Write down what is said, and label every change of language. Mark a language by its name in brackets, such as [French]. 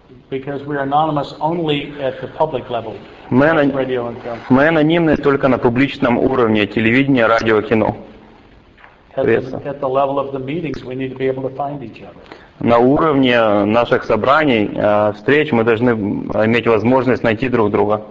[English] Because we are anonymous only at the public level. [Russian] Мы анонимны только на публичном уровне телевидения, радио, кино. [English] At the level of the meetings, we need to be able to find each other. [Russian] На уровне наших собраний, встреч, мы должны иметь возможность найти друг друга.